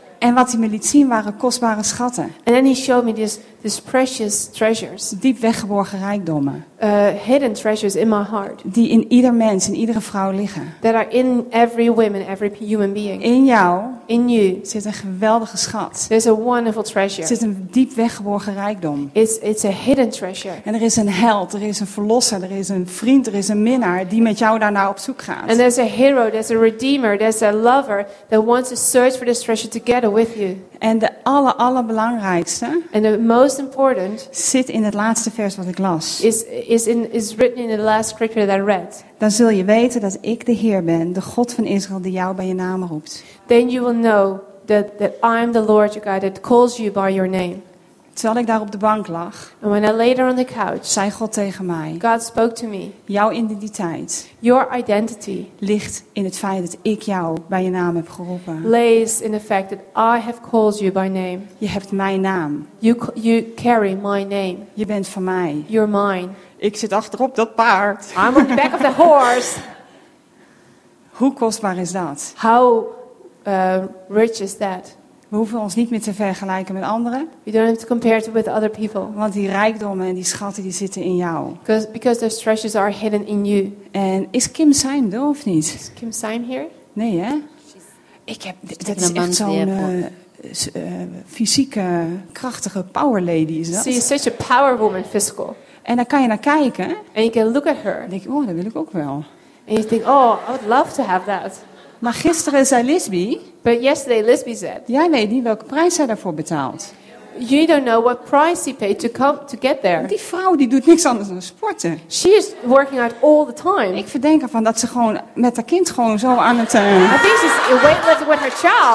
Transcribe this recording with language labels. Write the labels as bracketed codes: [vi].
[nl] En wat hij me liet zien waren kostbare schatten. [en] And then he showed me these precious treasures. [nl] Diep weggeborgen rijkdommen. [en] Hidden treasures in my heart. [nl] Die in ieder mens, in iedere vrouw liggen. [en] That are in every woman, every human being. [nl] In jou. [en] In you. [nl] Zit een geweldige schat. [en] There's a wonderful treasure. [nl] Zit een diep weggeborgen rijkdom. [en] It's a hidden treasure. [nl] En er is een held, er is een verlosser, er is een vriend, er is een minnaar die met jou daarna op zoek gaat. [en] And there's a hero, there's a redeemer, there's a lover that wants to search for this treasure together with you. [nl] En de allerbelangrijkste. [en] And the most important. [nl] Zit in het laatste vers wat ik las. [en] Is written in the last scripture that I read. [nl] Dan zul je weten dat ik de Heer ben, de God van Israël die jou bij je naam roept. [en] Then you will know that I'm the Lord your God that calls you by your name. [nl] Terwijl ik daar op de bank lag. [en] And when I lay there on the couch. [nl] Zei God tegen mij. [en] God spoke to me. [nl] Jouw identiteit. [en] Your identity. [nl] Ligt in het feit dat ik jou bij je naam heb geroepen. [en] Lays in the fact that I have called you by name. [nl] Je hebt mijn naam. [en] You carry my name. [nl] Je bent van mij. [en] You're mine. [nl] Ik zit achterop dat paard. [en] I'm on the back of the horse. [nl] Hoe kostbaar is dat? [en] How rich is that? [nl] We hoeven ons niet meer te vergelijken met anderen. [en] You don't have to compare it with other people. [nl] Want die rijkdommen en die schatten die zitten in jou. [en] Because those treasures are hidden in you. [nl] En is Kim Syme er of niet? [en] Is Kim Syme here? [nl] Nee, hè? Dat is echt zo'n fysieke, krachtige power lady, is dat? [en] She is such a power woman, physical. [nl] En dan kan je naar kijken. [en] And you can look at her. [nl] Denk je, oh, dat wil ik ook wel. [en] And you think, oh, I would love to have that. [nl] Maar gisteren zei Lisby. [en] But yesterday Lisby said. [nl] Jij weet niet welke prijs zij daarvoor betaalt. [en] You don't know what price she paid to get there. [nl] Die vrouw die doet niks anders dan sporten. [en] She is working out all the time. [nl] Ik verdenk ervan dat ze gewoon met haar kind gewoon zo aan het. [en] I think she's weightlifting with her child.